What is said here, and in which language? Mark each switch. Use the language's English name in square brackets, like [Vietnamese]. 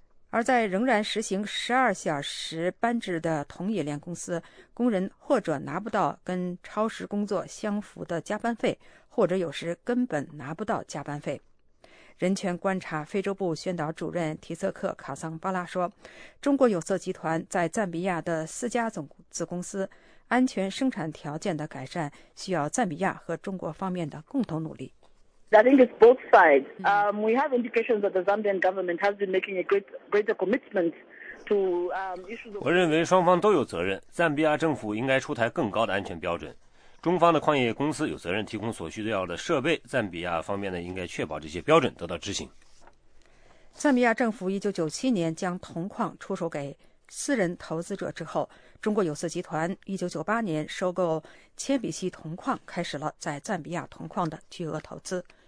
[Chinese] 而在仍然实行12小时班制的铜冶炼公司，工人或者拿不到跟超时工作相符的加班费，或者有时根本拿不到加班费。人权观察非洲部宣导主任提瑟克·卡桑巴拉说，中国有色集团在赞比亚的4家总子公司安全生产条件的改善需要赞比亚和中国方面的共同努力。 [English] I think it's both sides. We have indications that the Zambian government has been making a greater commitment to issues. [Chinese] 我认为双方都有责任。赞比亚政府应该出台更高的安全标准。中方的矿业公司有责任提供所需要的设备。赞比亚方面呢，应该确保这些标准得到执行。赞比亚政府1997年将铜矿出售给私人投资者之后，中国有色集团1998年收购铅笔烯铜矿，开始了在赞比亚铜矿的巨额投资。